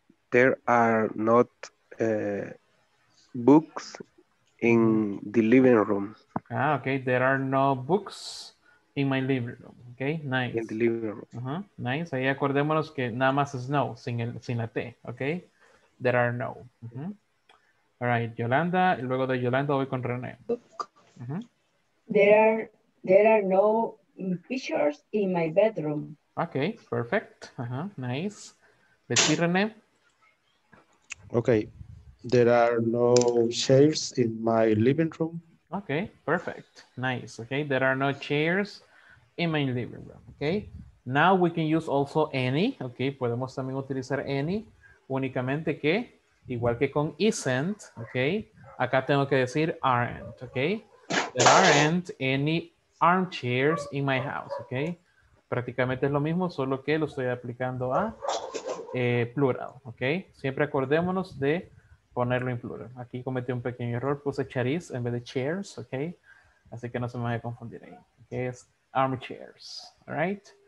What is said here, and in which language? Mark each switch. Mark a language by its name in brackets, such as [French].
[English] There are not books in the living room. Ah, okay. There are no books in my living room. Okay, nice. In the living room. Uh-huh. Nice. [Spanish] Ahí acordémonos que nada más es no, sin la T. [English] Okay. There are no. Uh-huh. All right. Yolanda. [Spanish] Luego de Yolanda voy con René. Uh-huh. [English] There are no pictures in my bedroom. Okay. Perfect. Uh-huh. Nice. Let's see, René. Okay. There are no chairs in my living room. Okay, perfect. Nice. Okay, there are no chairs in my living room. Okay, now we can use also any. Okay, [Spanish] podemos también utilizar any. Únicamente que, igual que con isn't, okay, acá tengo que decir aren't. [English] Okay, there aren't any armchairs in my house. [Spanish] Okay, prácticamente es lo mismo, solo que lo estoy aplicando a plural. Okay, siempre acordémonos de ponerlo en plural. Aquí cometí un pequeño error, puse chairs en vez de chairs, ok. Así que no se me vaya a confundir ahí. Okay, es armchairs, [English] all right.